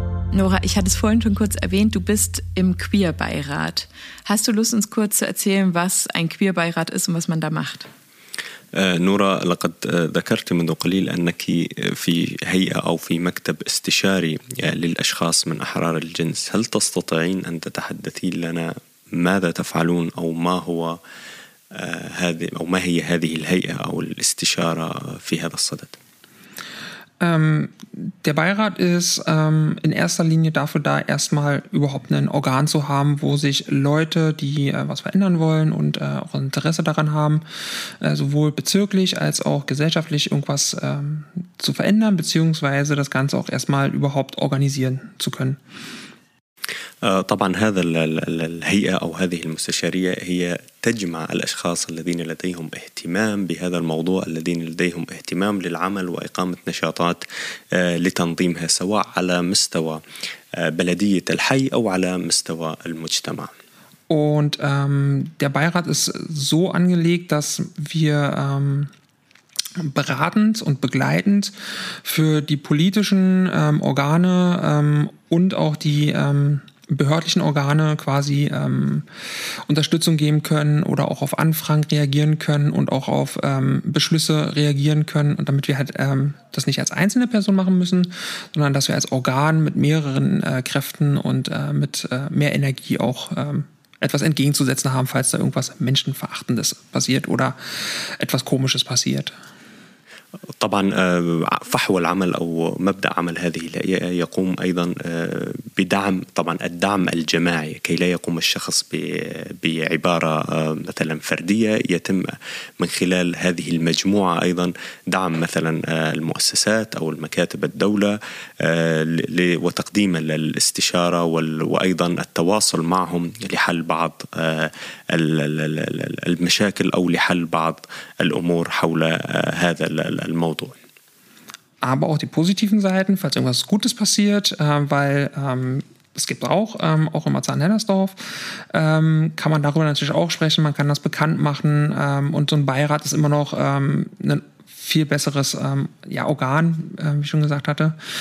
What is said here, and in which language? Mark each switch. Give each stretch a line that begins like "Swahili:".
German: Nora, ich hatte es vorhin schon kurz erwähnt, du bist im Queerbeirat. Hast du Lust, uns kurz zu erzählen, was ein Queerbeirat ist und was man da macht?
Arabic: نورا لقد ذكرت منذ قليل أنك في هيئة أو في مكتب استشاري للأشخاص من أحرار الجنس. هل تستطيعين أن تتحدثين لنا ماذا تفعلون أو ما هو هذه أو ما هي هذه الهيئة أو الاستشارة في هذا الصدد؟
German: Der Beirat ist in erster Linie dafür da, erstmal überhaupt ein Organ zu haben, wo sich Leute, die was verändern wollen und auch Interesse daran haben, sowohl bezirklich als auch gesellschaftlich irgendwas zu verändern, beziehungsweise das Ganze auch erstmal überhaupt organisieren zu können.
Arabic: طبعا هذا الهيئة أو هذه المستشارية هي تجمع الأشخاص الذين لديهم اهتمام بهذا الموضوع، الذين لديهم اهتمام للعمل وإقامة نشاطات لتنظيمها، سواء على مستوى بلدية الحي أو على مستوى المجتمع.
German: Und der Beirat ist so angelegt, dass wir beratend und begleitend für die politischen Organe und auch die behördlichen Organe quasi Unterstützung geben können oder auch auf Anfragen reagieren können und auch auf Beschlüsse reagieren können, und damit wir halt das nicht als einzelne Person machen müssen, sondern dass wir als Organ mit mehreren Kräften und mit mehr Energie auch etwas entgegenzusetzen haben, falls da irgendwas Menschenverachtendes passiert oder etwas Komisches passiert.
Arabic: طبعا فحوى العمل أو مبدأ عمل هذه الهيئة يقوم أيضا بدعم، طبعا الدعم الجماعي، كي لا يقوم الشخص بعبارة مثلا فردية، يتم من خلال هذه المجموعة أيضا دعم مثلا المؤسسات أو المكاتب الدولة وتقديم الاستشارة وأيضا التواصل معهم لحل بعض المشاكل أو لحل بعض الأمور حول هذا الموضوع.
German: Aber auch die positiven Seiten, falls irgendwas Gutes passiert, weil es gibt auch in Marzahn-Hellersdorf, kann man darüber natürlich auch sprechen, man kann das bekannt machen, und so ein Beirat ist immer noch ein viel besseres Organ, wie ich schon gesagt hatte,